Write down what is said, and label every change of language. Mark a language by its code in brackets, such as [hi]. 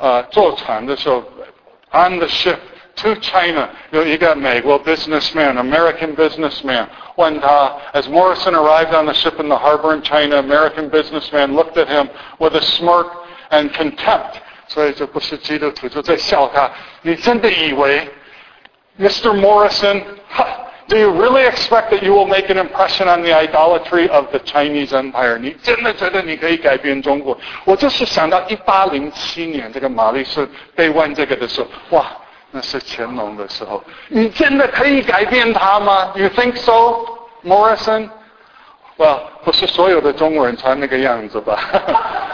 [zh] 坐船的时候 [en] on the ship to China, [zh] 有一个美国 [en] businessman, American businessman, [zh] 问他 [en] as Morrison arrived on the ship in the harbor in China, American businessman looked at him with a smirk and contempt. [zh] 所以这不是基督徒就在笑他你真的以为 Mr. [en] Morrison, do you really expect that you will make an impression on the idolatry of the Chinese Empire? [zh] 你真的觉得你可以改变中国？我就是想到1807年这个玛丽是被问这个的时候，哇，那是乾隆的时候，你真的可以改变他吗？ [en] You think so, Morrison? Well, [zh] 不是所有的中国人穿那个样子吧。